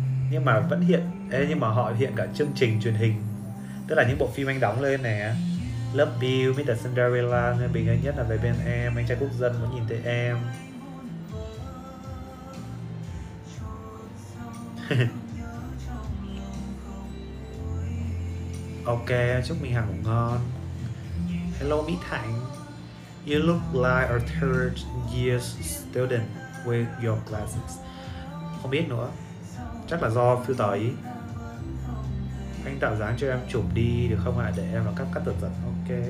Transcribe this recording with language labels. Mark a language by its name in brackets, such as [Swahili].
[Vietnamese] Nhưng mà vẫn hiện. Ê, nhưng mà họ hiện cả chương trình truyền hình. Tức là những bộ phim anh đóng lên nè. Love You, Mr. Cinderella, Nguyễn Bình Anh Nhất Là Về Bên Em, Anh Trai Quốc Dân Muốn Nhìn Thấy Em. Ok, chúc mình hàng cũng ngon. [English] Hello Mỹ Thạnh. You look like a third year student with your glasses. [Vietnamese] Không biết nữa. Chắc là do filter ấy. Anh tạo dáng cho em chụp đi được không ạ? À? Để em vào cắt cắt dần dần. Ok.